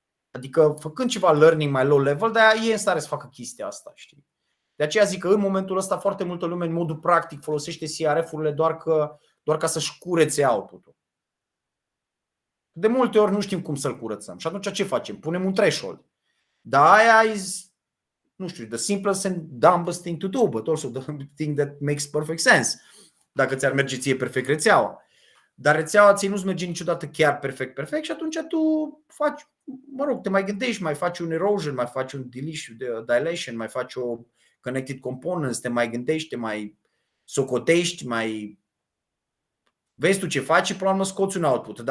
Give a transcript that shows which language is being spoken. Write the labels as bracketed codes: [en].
[ro] Adică făcând ceva learning mai low level, dar e în stare să facă chestia asta, știi? De aceea zic că în momentul ăsta foarte multă lume în modul practic folosește CRF-urile doar ca să-și curețe output-ul. De multe ori nu știm cum să-l curățăm. Și atunci ce facem? Punem un threshold. Dar aia [en] is, [ro] nu știu, [en] the simplest and dumbest thing to do, but also the thing that makes perfect sense. [ro] Dacă ți-ar merge ție perfect rețeaua. Dar rețeaua ție nu-ți merge niciodată chiar perfect și atunci tu faci, mă rog, te mai gândești, mai faci un erosion, mai faci un dilation, mai faci o connected components, te mai gândești, te mai socotești, mai vezi tu ce faci și până la urmă scoți un output.